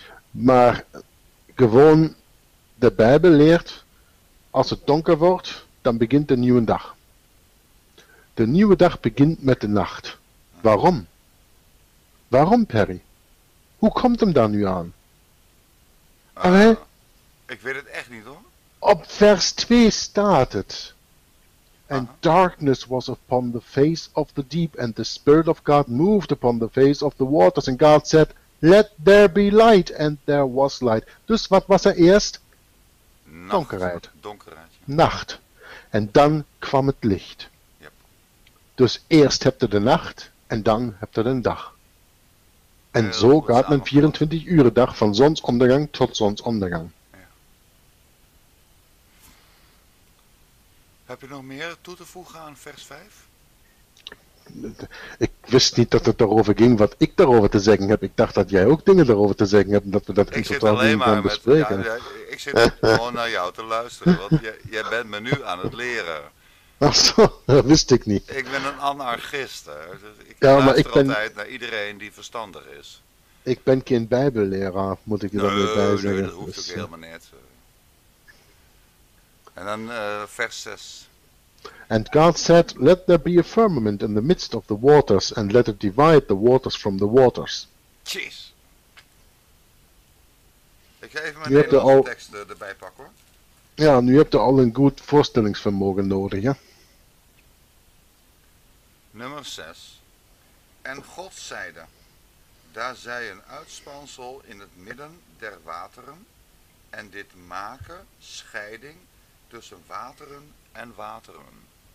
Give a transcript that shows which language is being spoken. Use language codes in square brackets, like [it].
[nl] Maar gewoon de Bijbel leert, als het donker wordt, dan begint de nieuwe dag. De nieuwe dag begint met de nacht. Waarom? Waarom, Perry? Hoe komt hem daar nu aan? Ik weet het echt niet, hoor. Op vers 2 staat het. [en] And darkness was upon the face of the deep, and the Spirit of God moved upon the face of the waters, and God said, let there be light, and there was light. [nl] Dus wat was er eerst? Nacht. Donkerheid. Ja. Nacht. En dan kwam het licht. [en] Yep. [nl] Dus eerst heb je de nacht, en dan heb je de dag. En zo gaat een 24 uur dag van zonsondergang tot zonsondergang. Ja. Heb je nog meer toe te voegen aan vers 5? Ik wist niet dat het daarover ging wat ik daarover te zeggen heb. Ik dacht dat jij ook dingen daarover te zeggen hebt en dat we dat in totaal niet gaan bespreken. Ik zit gewoon naar jou te luisteren, want jij bent me nu aan het leren. Ach zo, dat wist ik niet. Ik ben een anarchist. Dus ik altijd naar iedereen die verstandig is. Ik ben geen bijbelleraar, moet ik je dan weer bij zeggen. Nee, dat hoeft dus, ook helemaal niet. En dan vers 6. [en] And God said, let there be a firmament in the midst of the waters, and let it divide the waters from the waters. Jeez. [nl] Ik ga even mijn Nederlandse tekst erbij pakken, hoor. Ja, nu heb je al een goed voorstellingsvermogen nodig, ja. Nummer 6. En God zeide, daar zij een uitspansel in het midden der wateren, en dit maken scheiding tussen wateren en wateren.